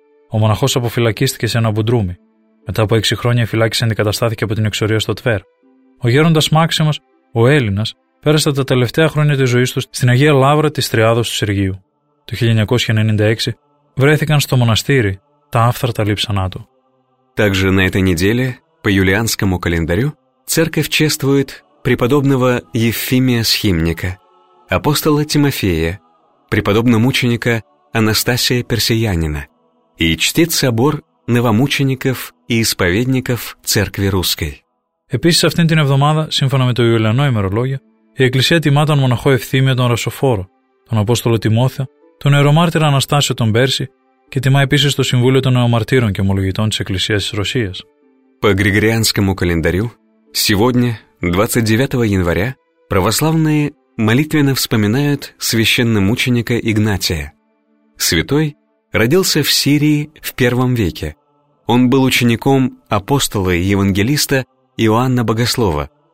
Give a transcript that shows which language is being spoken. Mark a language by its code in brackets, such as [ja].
[el] Ο μοναχός αποφυλακίστηκε σε ένα μπουντρούμι. Μετά από 6 χρόνια, η φυλάκιση αντικαταστάθηκε από την εξορία στο Τβέρ. Ο γέροντας Μάξιμος, ο Έλληνας, πέρασε τα τελευταία χρόνια της ζωής του στην Αγία Λαύρα της Τριάδος του Σεργίου. Το 1996 βρέθηκαν στο μοναστήρι τα άφθαρτα λείψανά του. [ru] Также на этой неделе, по юлианскому календарю, церковь чествует преподобного Ефимия Схимника, апостола Тимофея, преподобно-мученика Анастасия Персиянина и чтит собор новомучеников и исповедников Церкви Русской. [el] Επίσης, αυτήν την εβδομάδα, σύμφωνα με το Ιουλιανό ημερολόγιο, η Εκκλησία τιμά τον μοναχό Ευθύμιο τον Ρασοφόρο, τον Απόστολο Τιμόθεο, τον Ιερομάρτυρα Αναστάσιο τον Πέρση και τιμά επίσης το Συμβούλιο των Νεομαρτύρων και Ομολογητών της Εκκλησίας της Ρωσίας. [ru] По Григорианскому календарю, сегодня, 29 января, православные молитвенно вспоминают священномученика Игнатия. Святой родился в Сирии в первом веке. Он был учеником апостола и евангелиста Иоанна Богослова.